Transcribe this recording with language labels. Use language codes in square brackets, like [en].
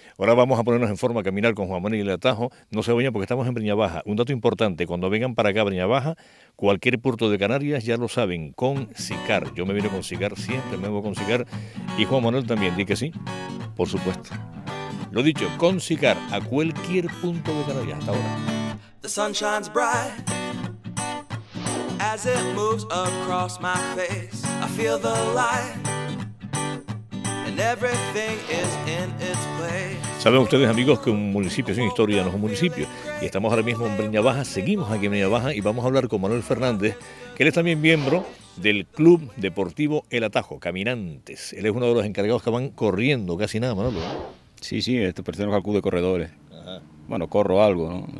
[es] Ahora vamos a ponernos en forma a caminar con Juan Manuel y El Atajo. No se vayan porque estamos en Breña Baja. Un dato importante, cuando vengan para acá a Breña Baja, cualquier puerto de Canarias, ya lo saben, con Sicar. Yo me vine con Sicar, siempre me voy con Sicar. Y Juan Manuel también, ¿di que sí? Por supuesto. Lo dicho, con Sicar a cualquier punto de Canarias. Hasta ahora. [en] The sun shines bright as it moves across my face. I feel the light and everything is in its place. [es] Saben ustedes, amigos, que un municipio es una historia, no es un municipio. Y estamos ahora mismo en Breña Baja, seguimos aquí en Breña Baja y vamos a hablar con Manuel Fernández, que él es también miembro del Club Deportivo El Atajo, Caminantes. Él es uno de los encargados que van corriendo casi nada, Manuel. Sí, este pertenece al club de corredores. Ajá. Bueno, corro algo, ¿no?